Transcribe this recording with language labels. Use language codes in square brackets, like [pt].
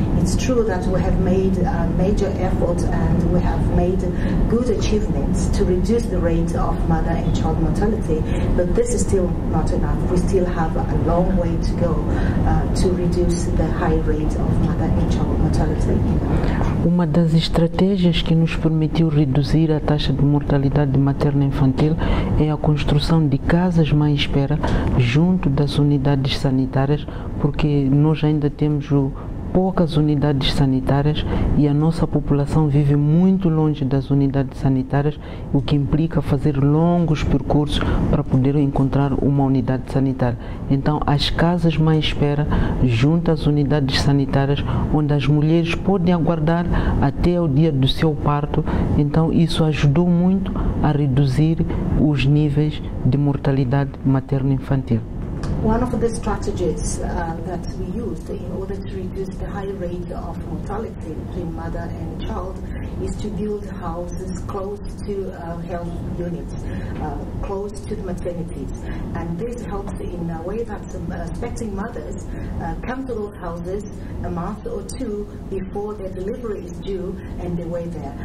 [en] It's true that we have made a major effort and we have made good achievements to reduce the rate of mother and child mortality, but this is still not enough. We still have a long way to go to reduce the high rate of mother and child mortality in our country. [pt] Uma das estratégias que nos permitiu reduzir a taxa de mortalidade materno-infantil é a construção de casas mãe espera junto das unidades sanitárias, porque nós ainda temos poucas unidades sanitárias e a nossa população vive muito longe das unidades sanitárias, o que implica fazer longos percursos para poder encontrar uma unidade sanitária. Então, as casas mãe espera junto às unidades sanitárias, onde as mulheres podem aguardar até o dia do seu parto. Então, isso ajudou muito a reduzir os níveis de mortalidade materno-infantil. [en] One of the strategies that we used in order to reduce the high rate of mortality between mother and child is to build houses close to health units, close to the maternities. And this helps in a way that some expecting mothers come to those houses a month or two before their delivery is due and they wait there.